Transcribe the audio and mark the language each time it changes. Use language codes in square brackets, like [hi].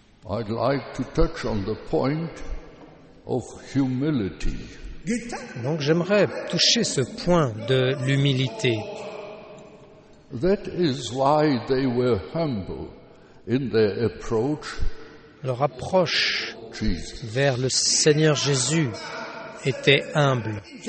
[en] I'd like to touch on the point of humility. [fr] Donc j'aimerais toucher ce point de l'humilité. [en] That is why they were humble in their approach. [fr] Leur approche Jesus. Vers le Seigneur Jésus était humble.